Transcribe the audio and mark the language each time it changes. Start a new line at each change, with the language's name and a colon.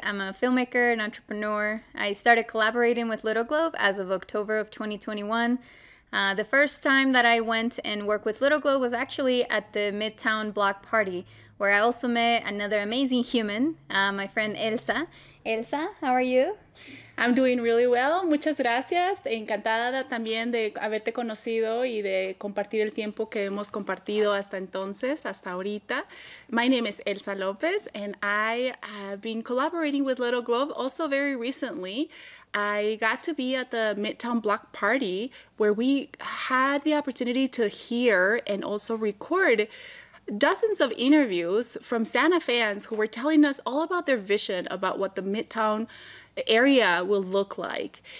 English: I'm a filmmaker and entrepreneur. I started collaborating with Littleglobe as of October of 2021. The first time that I went and worked with Littleglobe was actually at the Midtown Block Party, where I also met another amazing human, my friend Elsa. Elsa, how are you? I'm doing really well.
Spanish: Muchas gracias. Encantada también de haberte conocido y de compartir el tiempo que hemos compartido hasta entonces, hasta ahorita.
English: My name is Elsa Lopez, and I have been collaborating with Littleglobe also very recently. I got to be at the Midtown Block Party, where we had the opportunity to hear and also record dozens of interviews from Santa fans who were telling us all about their vision about what the Midtown area will look like.